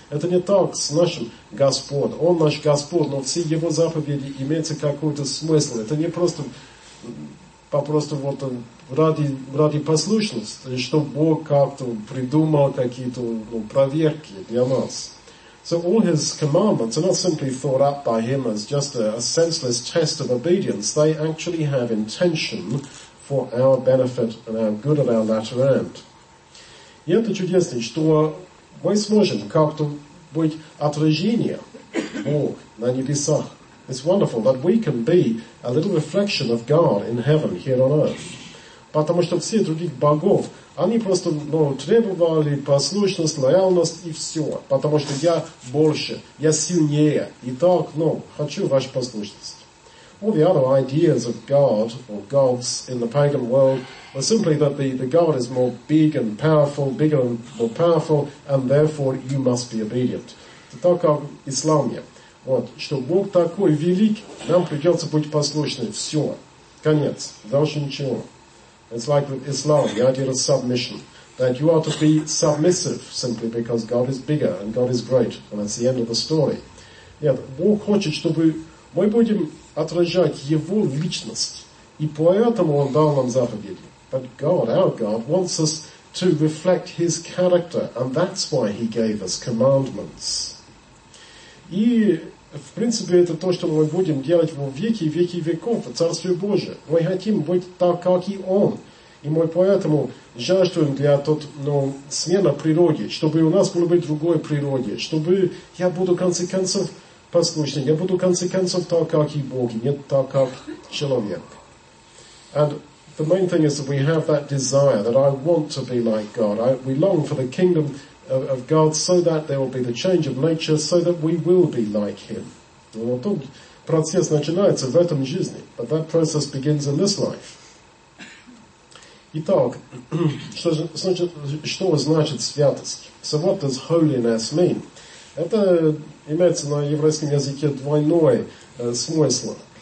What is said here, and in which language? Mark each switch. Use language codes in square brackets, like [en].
[ru] Это не так с нашим Господом. Он наш Господь, но все его заповеди имеются какой-то смысл. Это не просто попросту вот ради послушности, что Бог как-то придумал какие-то ну, проверки для нас. [en] So all his commandments are not simply thought up by him as just a senseless test of obedience. They actually have intention for our benefit and our good at our latter end. [ru] И это чудесно, что мы сможем как-то быть отражение Бога на небесах. [en] It's wonderful that we can be a little reflection of God in heaven here on earth. [ru] Потому что все других богов, они просто ну, требовали послушность, лояльность и все. Потому что я больше, я сильнее. Итак, ну, хочу вашу послушность. [en] All the other ideas of God or gods in the pagan world were simply that the God is more big and powerful, bigger and more powerful, and therefore you must be obedient. [ru] Это так, как в исламе. Вот, что Бог такой велик, нам придется быть послушными. Все. Конец. Дальше ничего. [en] It's like with Islam, the idea of submission. That you are to be submissive simply because God is bigger and God is great. And that's the end of the story. [ru] Нет, Бог хочет, чтобы мы будем отражать Его личность. И поэтому Он дал нам заповеди. [en] But God, our God, wants us to reflect His character. And that's why He gave us commandments. [ru] И, в принципе, это то, что мы будем делать во веки, веки веков в Царстве Божьем. Мы хотим быть так, как и Он. И мы поэтому жаждуем для тот, ну, смены природы, чтобы у нас было быть другой природе, чтобы я буду, в конце концов, послушный, я буду, в конце концов, так, как и Бог, не так, как человек. And [en] the main thing is that we have that desire that I want to be like God. We long for the kingdom of God so that there will be the change of nature so that we will be like him. [ru] Ну, тут процесс начинается в этом жизни. [en] But that process begins in this life. [ru] Итак, что значит святость? [en] So what does holiness mean? [ru] Это имеется на еврейском языке двойной смысл.